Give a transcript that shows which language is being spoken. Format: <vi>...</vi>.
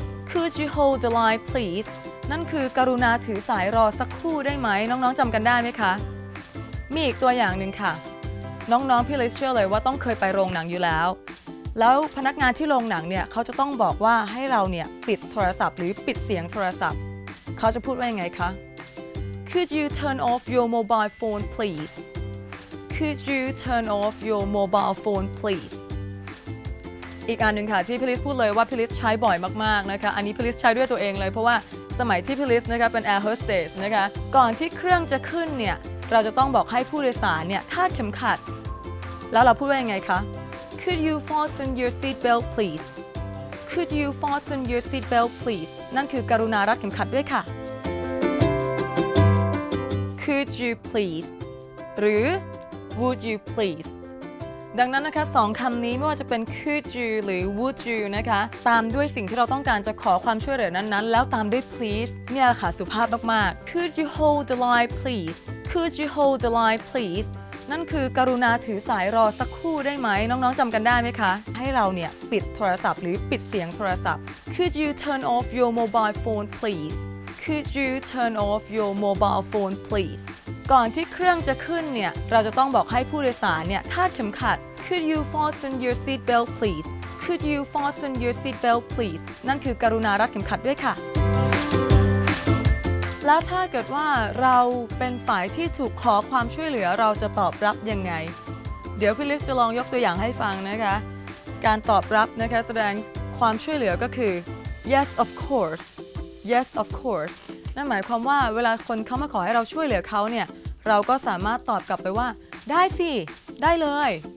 <en>could you hold the line please</en> <th>นั่นคือกรุณาถือสายรอสักครู่ได้ไหมน้องๆจำกันได้ไหมคะมีอีกตัวอย่างหนึ่งค่ะน้องๆพี่ลิสเชื่อเลยว่าต้องเคยไปโรงหนังอยู่แล้วแล้วพนักงานที่โรงหนังเนี่ยเขาจะต้องบอกว่าให้เราเนี่ยปิดโทรศัพท์หรือปิดเสียงโทรศัพท์เขาจะพูดว่ายังไงคะ</th> <en>Could you turn off your mobile phone please? Could you turn off your mobile phone please?</en> <th>อีกอันนึงค่ะที่พิลิสพูดเลยว่าพิลิสใช้บ่อยมากๆนะคะอันนี้พิลิสใช้ด้วยตัวเองเลยเพราะว่าสมัยที่พิลิสนะคะเป็น air hostess นะคะก่อนที่เครื่องจะขึ้นเนี่ยเราจะต้องบอกให้ผู้โดยสารเนี่ยคาดเข็มขัดแล้วเราพูดว่ายังไงคะ</th> <en>Could you fasten your seat belt please? Could you fasten your seat belt please?</en> <th>นั่นคือกรุณารัดเข็มขัดด้วยค่ะ</th> <en>Could you please</en> <th>หรือ</th> <en>Would you please</en> <th>ดังนั้นนะคะสองคำนี้ไม่ว่าจะเป็น</th> <en>Could you หรือ Would you นะคะตามด้วยสิ่งที่เราต้องการจะขอความช่วยเหลือนั้นๆแล้วตามด้วย please เนี่ยค่ะสุภาพมากๆ Could you hold the line please</en> <th>Could you hold the line please นั่นคือกรุณาถือสายรอสักครู่ได้ไหมน้องๆจำกันได้ไหมคะให้เราเนี่ยปิดโทรศัพท์หรือปิดเสียงโทรศัพท์</th> <en>Could you turn off your mobile phone please? Could you turn off your mobile phone please?</en> <th>ก่อนที่เครื่องจะขึ้นเนี่ยเราจะต้องบอกให้ผู้โดยสารเนี่ยคาดเข็มขัด</th> <en>Could you fasten your seat belt please? Could you fasten your seat belt please?</en> <th>นั่นคือกรุณารัดเข็มขัดด้วยค่ะแล้วถ้าเกิดว่าเราเป็นฝ่ายที่ถูกขอความช่วยเหลือเราจะตอบรับยังไงเดี๋ยวพี่ลิสจะลองยกตัวอย่างให้ฟังนะคะการตอบรับนะคะแสดงความช่วยเหลือก็คือ</th> <en>yes of course yes of course</en> <th>นั่นหมายความว่าเวลาคนเขามาขอให้เราช่วยเหลือเขาเนี่ยเราก็สามารถตอบกลับไปว่าได้สิได้เลย</th>